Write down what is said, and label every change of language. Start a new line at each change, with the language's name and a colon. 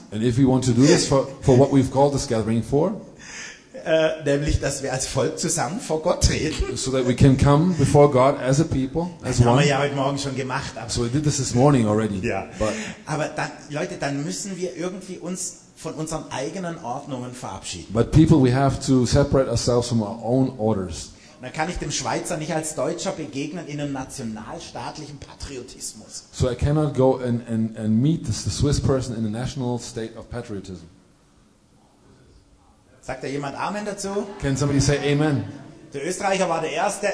English: And if we want to do this for what we've called this gathering for.
German: Nämlich, dass wir als Volk zusammen vor Gott treten.
English: So that we can come before God as a people, as
German: one. Das haben wir ja heute Morgen schon gemacht.
English: Aber so we did this this morning already.
German: Ja. But aber dann, Leute, dann müssen wir irgendwie uns von unseren eigenen Ordnungen verabschieden.
English: But people, we have to separate ourselves from our own orders.
German: Da kann ich dem Schweizer nicht als Deutscher begegnen in einem nationalstaatlichen Patriotismus.
English: So I cannot go and meet the Swiss person in a national state of patriotism.
German: Sagt da jemand Amen dazu?
English: Can somebody say Amen?
German: Der Österreicher war der Erste.